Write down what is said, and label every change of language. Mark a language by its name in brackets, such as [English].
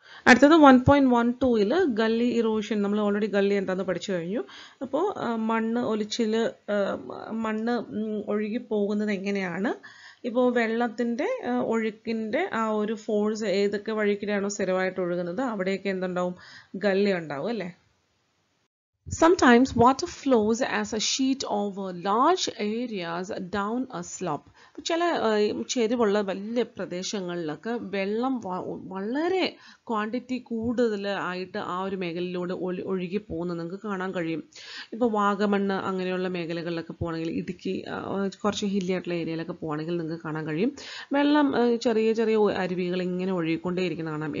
[Malayalam] അടുത്തത് 1.12 gully erosion. നമ്മൾ already gully എന്താന്ന് പഠിച്ചു കഴിഞ്ഞു. അപ്പോൾ മണ്ണ് ഒലിച്ചിൽ, മണ്ണ് ഒഴുകി പോകുന്നത് എങ്ങനെയാണ്, ഇപ്പോൾ വെള്ളത്തിൻ്റെ ഒഴുക്കിൻ്റെ ആ ഒരു ഫോഴ്സ് ഏതൊക്കെ വഴിക്കിടെയാണോ സ്ഥിരമായിട്ട് ഒഴുകുന്നത് അവിടെയൊക്കെ എന്തുണ്ടാവും? ഗള്ളി ഉണ്ടാവും അല്ലേ. [English] Sometimes water flows as a sheet over large areas down a slope. [Malayalam] ചില ചെരുവുള്ള വലിയ പ്രദേശങ്ങളിലൊക്കെ വെള്ളം വളരെ ക്വാണ്ടിറ്റി കൂടുതൽ ആയിട്ട് ആ ഒരു മേഖലയിലൂടെ ഒഴുകി പോകുന്നത് നിങ്ങൾക്ക് കാണാൻ കഴിയും. ഇപ്പോൾ വാഗമണ്ണ് അങ്ങനെയുള്ള മേഖലകളിലൊക്കെ പോകണമെങ്കിൽ, ഇടുക്കി കുറച്ച് ഹില്ലി ആയിട്ടുള്ള ഏരിയയിലൊക്കെ പോകണമെങ്കിൽ നിങ്ങൾക്ക് കാണാൻ കഴിയും വെള്ളം ചെറിയ ചെറിയ അരുവികൾ ഇങ്ങനെ ഒഴുകിക്കൊണ്ടേ ഇരിക്കുന്ന കാണാം.